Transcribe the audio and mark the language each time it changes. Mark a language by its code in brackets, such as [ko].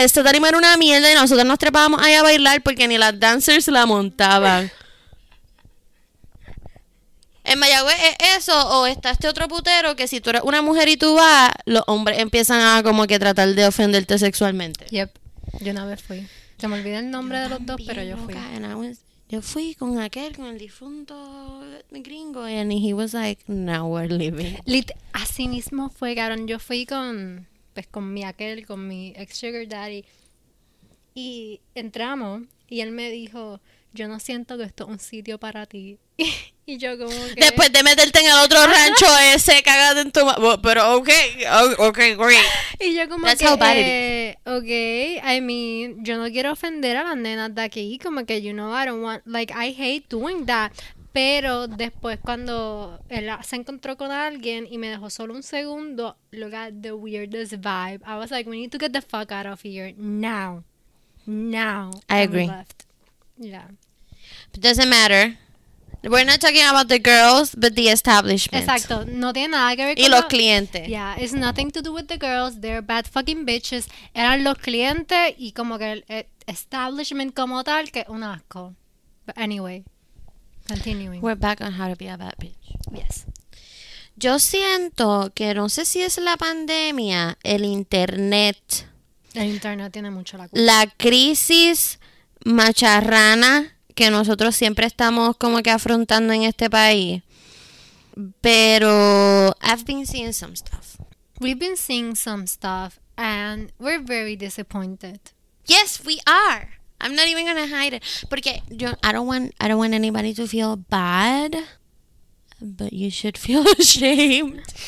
[es] Esta tarima era una mierda y nosotros nos trepábamos ahí a bailar porque ni las dancers la montaban. En Mayagüez es eso, o está este otro putero que si tú eres una mujer y tú vas, los hombres empiezan a como que tratar de ofenderte sexualmente. Yep, yo una vez fui. Se me olvidó el nombre de los dos, pero yo fui. Yo fui con aquel, con el difunto gringo, [en] and he was like, now we're leaving. [es] Así mismo fue, cabrón. Yo fui con, pues, con mi aquel, con mi ex sugar daddy, y entramos, y él me dijo, yo no siento que esto es un sitio para ti. Y yo como que... Después de meterte en el otro rancho ese, cagado en tu... [en] Pero okay, great. [es] Y yo como [en] that's [es] que... [en] How bad it is. Okay, I mean, [es] yo no quiero ofender a las nenas de aquí, como que, [en] you know, I don't want... Like, I hate doing that. [es] Pero después cuando él se encontró con alguien y me dejó solo un segundo, [en] look at the weirdest vibe. I was like, we need to get the fuck out of here. Now. Now. I agree. Left. Yeah. It doesn't matter. We're not talking about the girls, but the establishment. [es] Exacto. No tiene nada que ver con... Y los clientes. [en] Yeah, it's nothing to do with the girls. They're bad fucking bitches. [es] Eran los clientes y como que el establishment como tal, que un asco. [en] But anyway, continuing. We're back on how to be a bad bitch. Yes. [es] Yo siento que no sé si es la pandemia, el internet. El internet tiene mucho la culpa. La crisis macharrana que nosotros siempre estamos como que afrontando en este país. [en] Pero I've been seeing some stuff. We've been seeing some stuff and we're very disappointed. Yes, we are. I'm not even gonna hide it. Porque I don't want anybody to feel bad, but you should feel ashamed.